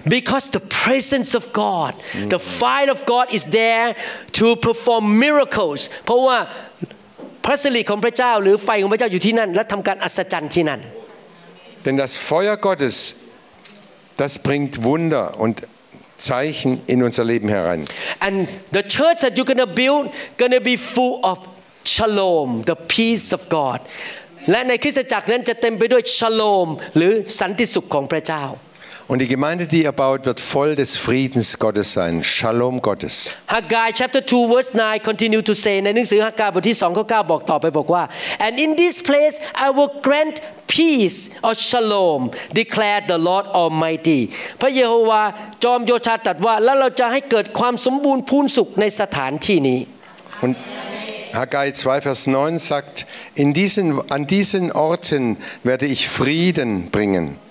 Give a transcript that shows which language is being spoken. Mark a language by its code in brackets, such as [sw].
[en] Because the presence of God, the fire of God is there to perform miracles. [th] เพราะว่าพระสิริของพระเจ้าหรือไฟของพระเจ้าอยู่ที่นั่นและทำการอัศจรรย์ที่นั่น [de] Denn das Feuer Gottes, das bringt Wunder undZeichen in unser Leben herein. [en] And the church that you're going to build going to be full of Shalom, the peace of God. [th] และในคริสตจักรนั้นจะเต็มไปด้วยชโลมหรือสันติสุขของพระเจ้า [de] Und die Gemeinde, die er baut, wird voll des Friedens Gottes sein. Shalom Gottes. [en] Haggai chapter 2 verse 9 continue to say [th] ในหนังสือฮากาบทที่2ข้อ9บอกต่อไปบอกว่า [en] And in this place I will grant peace or shalom declared the Lord Almighty. [th] พระเยโฮวาห์จอมโยธาตรัสว่าแล้วเราจะให้เกิดความสมบูรณ์พูนสุขในสถานที่นี้ [de] UndHaggai 2, Vers 9 sagt, an diesen Orten werde ich Frieden bringen.